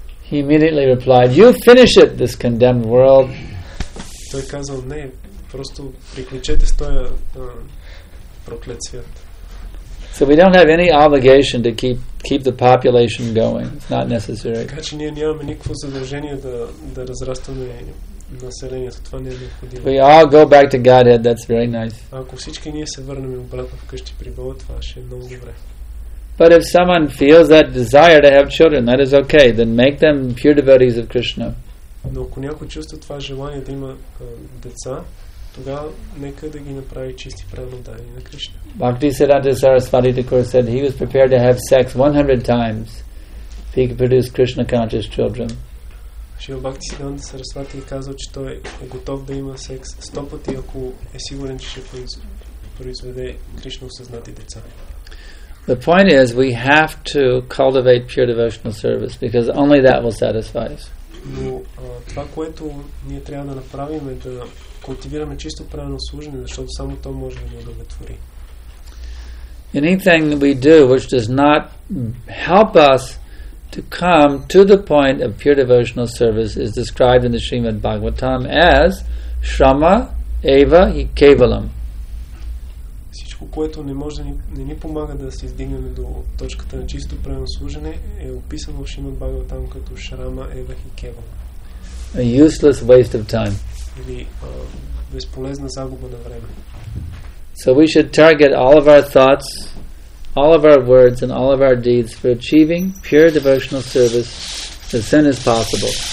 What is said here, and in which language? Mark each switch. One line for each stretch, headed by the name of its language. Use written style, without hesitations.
English: He immediately replied, you finish it, this condemned world.
Bulgarian: Той казал, не, просто приключете с този проклет свят.
English: So we don't have any obligation to keep keep the population going. It's not necessary.
Bulgarian: Така че ние нямаме никакво задължение да разрастваме населението. Това не е необходимо.
English: We all go back to Godhead. That's very nice.
Bulgarian: Ако всички ние се върнем обратно вкъщи при Бога, това ще е много добре.
English: But if someone feels that desire to have children, that is okay. Then make them pure devotees of Krishna.
Bulgarian: Но ако някой чувства това желание да има деца, тогава нека да ги направи чисти праведни на Кришна.
English: Bhakti Siddhanta Sarasvati Thakur said he was prepared to have sex 100 times if he could produce Krishna conscious children.
Bulgarian: Шрила Бхакти Сиддханта Сарасвати е казал, че той е готов да има секс 100 пъти, ако е сигурен, че ще произведе Кришна осъзнати деца.
English: The point is, we have to cultivate pure devotional service because only that will satisfy us.
Bulgarian: Но това, което ние трябва да направим, е да култивираме чисто правилно служение, защото само то може да ни удовлетвори.
English: Anything we do which does not help us to come to the point of pure devotional service is described in the Srimad Bhagavatam as
Sanskrit: Shrama Eva Hi Kevalam.
Bulgarian: Всичко, което не може да не ни помага да се издигнем до точката на чисто правилно служене, е описано в Шримад Бхагаватам като
Sanskrit: Шрама Ева Хи Кевалам.
English: A useless waste of time.
Bulgarian: Или безполезна загуба на време.
English: So we should target all of our thoughts, all of our words and all of our deeds for achieving pure devotional service as soon as possible.